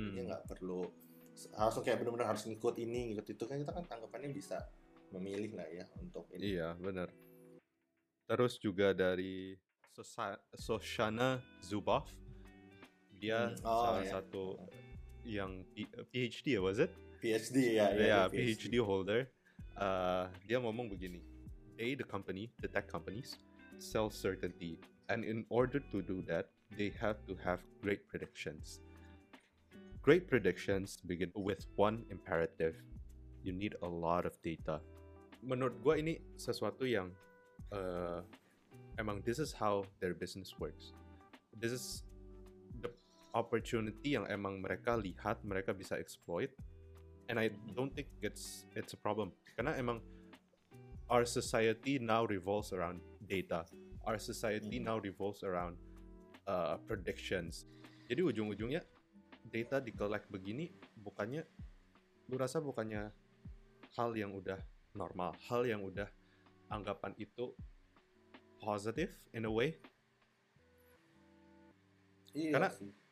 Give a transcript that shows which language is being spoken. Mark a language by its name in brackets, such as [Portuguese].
[Indonesian] Jadi nggak perlu langsung kayak benar-benar harus ngikut ini ngikut itu, kan kita kan tanggapannya bisa memilih lah ya untuk ini. Iya benar. Terus juga dari Shoshana Zuboff, dia satu yang PhD ya, [English] was it? [Indonesian] PhD ya. [English] PhD holder. [Indonesian] Dia ngomong begini, [English] the tech companies sell certainty, and in order to do that, they have to have great predictions. Great predictions begin with one imperative. You need a lot of data. [Indonesian] Menurut gua ini sesuatu yang emang [English] this is how their business works. This is the opportunity [Indonesian] yang emang mereka lihat, mereka bisa exploit. [English] And I don't think it's a problem. [Indonesian] Karena emang [English] our society now revolves around data. Our society now revolves around predictions. [Indonesian] Jadi ujung-ujungnya data di-collect begini, bukannya lu rasa bukannya hal yang udah normal, hal yang udah anggapan itu [English] positive in a way. Iya, [Indonesian] karena sih.